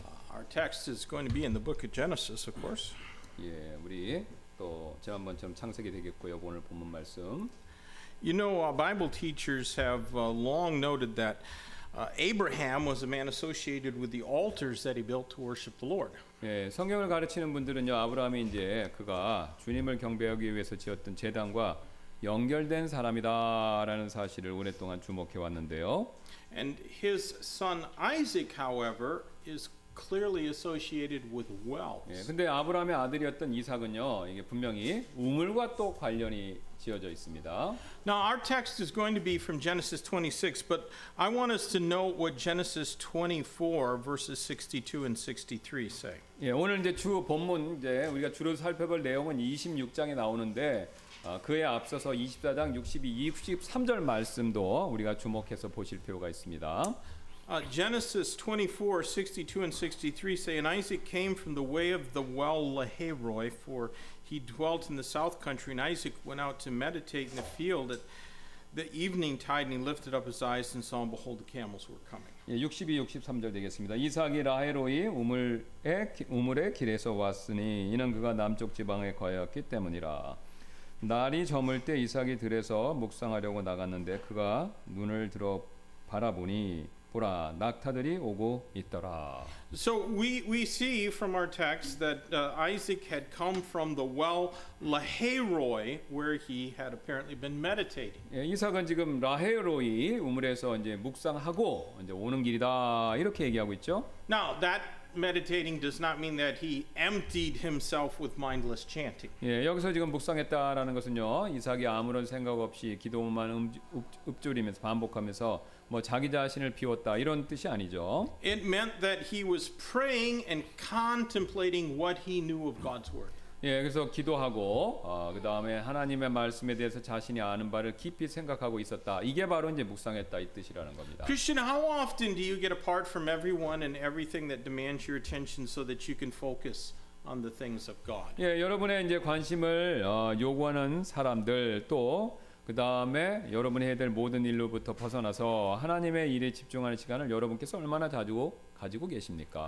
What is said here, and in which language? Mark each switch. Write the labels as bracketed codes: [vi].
[en] Our text is going to be in the book of Genesis, of course. [ko] 예, 우리 또 지난번처럼 창세기 되겠고요. 오늘 본문 말씀. [en] You know, our Bible teachers have long noted that Abraham was a man associated with the altars that he built to worship the Lord. [ko] 예, 성경을 가르치는 분들은요, 아브라함이 이제 그가 주님을 경배하기 위해서 지었던 제단과 연결된 사람이다라는 사실을 오랫동안 주목해 왔는데요. [en] And his son Isaac, however, is clearly associated with wealth. [ko] 예, 근데 아브라함의 아들이었던 이삭은요, 이게 분명히 우물과 또 관련이 지어져 있습니다. [en] Now our text is going to be from Genesis 26, but I want us to note what Genesis 24 verses 62 and 63 say. [ko] 예, 오늘 이제 주 본문 이제 우리가 주로 살펴볼 내용은 26장에 나오는데. 그에 앞서서 24장 62, 63절 말씀도 우리가 주목해서 보실 필요가 있습니다. [en] Genesis 24, 62 and 63 say, And Isaac came from the way of the well Lahairoi, for he dwelt in the south country, and Isaac went out to meditate in the field at the evening tide, and he lifted up his eyes and saw, and behold, the camels were coming. [ko] 62, 63절 되겠습니다. 이삭이 라헤로이 우물의 길에서 왔으니 이는 그가 남쪽 지방에 거하였기 때문이라. 날이 저물 때 이삭이 들에서 묵상하려고 나갔는데 그가 눈을 들어 바라보니 보라 낙타들이 오고 있더라. [en] So we see from our text that Isaac had come from the well Lahairoi where he had apparently been meditating. [ko] 이삭은 지금 라헤로이 우물에서 이제 묵상하고 이제 오는 길이다 이렇게 얘기하고 있죠. [en] Now that meditating does not mean that he emptied himself with mindless chanting. [ko] 예, 여기서 지금 묵상했다라는 것은요. 이삭이 아무런 생각 없이 기도만 읊조리면서 반복하면서 뭐 자기 자신을 비웠다 이런 뜻이 아니죠. [en] It meant that he was praying and contemplating what he knew of God's word. [ko] 예, 그래서 기도하고 그다음에 하나님의 말씀에 대해서 자신이 아는 바를 깊이 생각하고 있었다. 이게 바로 이제 묵상했다 이 뜻이라는 겁니다. [en] Christian, how often do you get apart from everyone and everything that demands your attention so that you can focus on the things of God? [ko] 예, 여러분의 이제 관심을 요구하는 사람들 또 그다음에 여러분이 해야 될 모든 일로부터 벗어나서 하나님의 일에 집중하는 시간을 여러분께서 얼마나 자주 가지고 계십니까?